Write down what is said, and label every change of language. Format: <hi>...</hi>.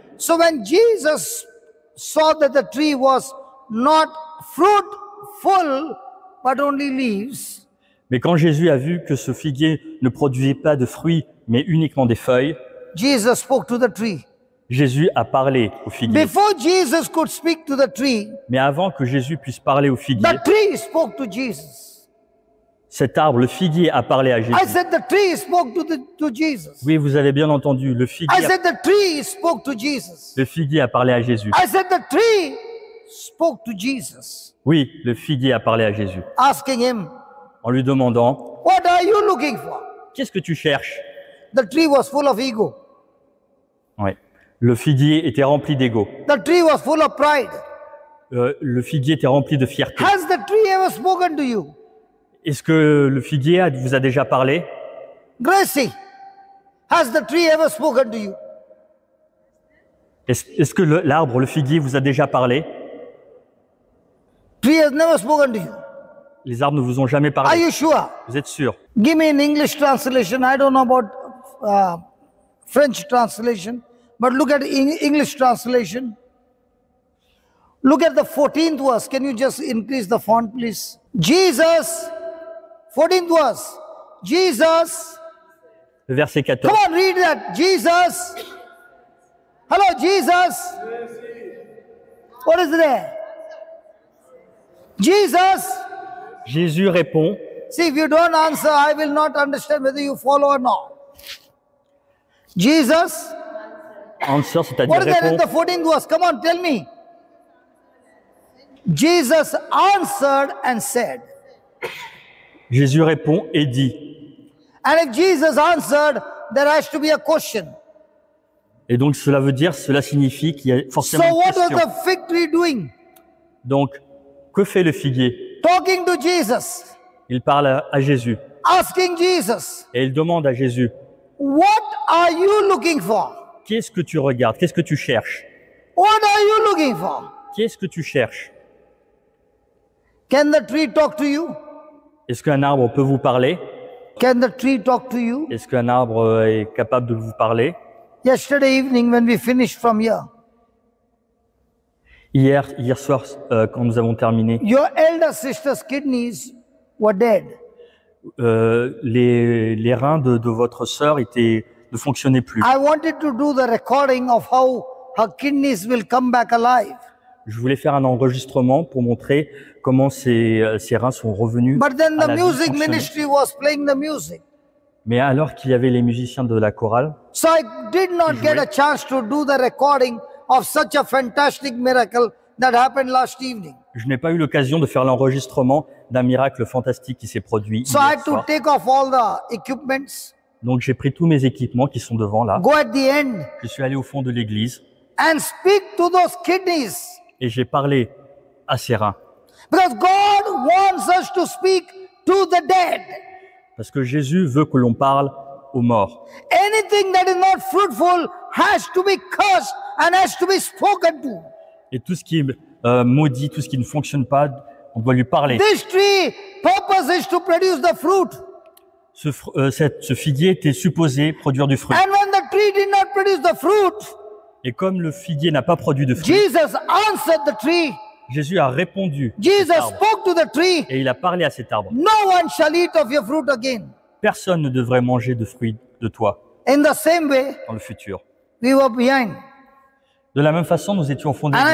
<en>So when Jesus saw that the tree was not fruitful, but only leaves.</en> <fr>Mais quand Jésus a vu que ce figuier ne produisait pas de fruits, mais uniquement des feuilles,</fr> <en>Jesus spoke to the tree.</en> <fr>Jésus a parlé au figuier.</fr> <en>Before Jesus could speak to the tree,</en> <fr>mais avant que Jésus puisse parler au figuier,</fr> <en>the tree spoke to Jesus.</en> <fr>Cet arbre, le figuier, a parlé à Jésus.</fr> <en>I said the tree spoke to Jesus.</en> <fr>Oui, vous avez bien entendu, le figuier.</fr> <en>I said the tree spoke to Jesus.</en> <fr>Le figuier a parlé à Jésus.</fr> <en>I said the tree spoke to Jesus.</en> <fr>Oui, le figuier a parlé à Jésus.</fr> <en>Asking him.</en> <fr>En lui demandant,</fr> <en>what are you looking for?</en> <fr>Qu'est-ce que tu cherches?</fr> <en>The tree was full of ego.</en> <fr>Oui. Le figuier était rempli d'ego.</fr> <en>The tree was full of pride.</en> <fr>Le figuier était rempli de fierté.</fr> <en>Has the tree ever spoken to you?</en> <fr>Est-ce que le figuier vous a déjà parlé?</fr> <en>Gracie, has the tree ever spoken to you?</en> <fr>Est-ce que l'arbre, le figuier, vous a déjà parlé?</fr> <en>Tree has never spoken to you.</en> <fr>Les arbres ne vous ont jamais parlé.</fr> <en>Are you sure?</en> <fr>Vous êtes sûr?</fr> <en>Give me an English translation. I don't know about French translation, but look at English translation. Look at the 14th verse. Can you just increase the font, please? Jesus, 14th verse. Jesus.</en> <fr>Verset 14.</fr> <en>Come on, read that. Jesus. Hello, Jesus. What is there? Jesus.</en> <fr>Jésus répond.</fr> <en>See, if you don't answer, I will not understand whether you follow or not. Jesus. Answer,</en> <fr>c'est-à-dire</fr> <en>what is</en> <fr>répond.</fr> <en>There in the 14th verse? Come on, tell me. Jesus answered and said.</en> <fr>Jésus répond et dit.</fr> <en>And if Jesus answered, there has to be a question.</en> <fr>Et donc cela veut dire, cela signifie qu'il y a forcément</fr> <en>so</en> <fr>une question.</fr> <en>So what was the fig tree doing?</en> <fr>Donc, que fait le figuier?</fr> <en>Talking to Jesus.</en> <fr>Il parle à Jésus.</fr> <en>Asking Jesus.</en> <fr>Et il demande à Jésus.</fr> <en>What are you looking for?</en> <fr>Qu'est-ce que tu regardes? Qu'est-ce que tu cherches?</fr> <en>What are you looking for?</en> <fr>Qu'est-ce que tu cherches?</fr> <en>Can the tree talk to you?</en> <fr>Est-ce qu'un arbre peut vous parler?</fr> <en>Can the tree talk to you?</en> <fr>Est-ce qu'un arbre est capable de vous parler?</fr> <en>Yesterday evening when we finished from here.</en> <fr>Hier soir quand nous avons terminé.</fr> <en>Your elder sister's kidneys were dead.</en> <fr>Les reins de votre sœur étaient ne fonctionnaient plus.</fr> <en>I wanted to do the recording of how her kidneys will come back alive.</en> <fr>Je voulais faire un enregistrement pour montrer comment ces reins sont revenus.</fr> <en>But then the music ministry was playing the music.</en> <fr>Mais alors qu'il y avait les musiciens de la chorale.</fr> <en>So I did not get a chance to do the recording of such a fantastic miracle that happened last evening.</en> <fr>Je n'ai pas eu l'occasion de faire l'enregistrement d'un miracle fantastique qui s'est produit.</fr> <en>So I had to take off all the equipments.</en> <fr>Donc j'ai pris tous mes équipements qui sont devant là.</fr> <en>Go at the end.</en> <fr>Je suis allé au fond de l'église.</fr> <en>And speak to those kidneys.</en> <fr>Et j'ai parlé à ses reins.</fr> <en>Because God wants us to speak to the dead.</en> <fr>Parce que Jésus veut que l'on parle aux morts.</fr> <en>Anything that is not fruitful has to be cursed and has to be spoken to.</en> <fr>Et tout ce qui est maudit, tout ce qui ne fonctionne pas, on doit lui parler.</fr> <en>This tree purpose is to produce the fruit.</en> <fr>Ce figuier était supposé produire du fruit.</fr> <en>And when the tree did not produce the fruit,</en> <fr>et comme le figuier n'a pas produit de fruit,</fr> <en>Jesus answered the tree.</en> <fr>Jésus a répondu.</fr> <en>Jesus spoke to the tree.</en> <fr>Et il a parlé à cet arbre.</fr> <en>No one shall eat of your fruit again.</en> <fr>Personne ne devrait manger de fruits de toi.</fr> <en>In the same way,</en> <fr>dans le futur.</fr> <en>We were behind.</en> <fr>De la même façon, nous étions au fond de l'église.</fr>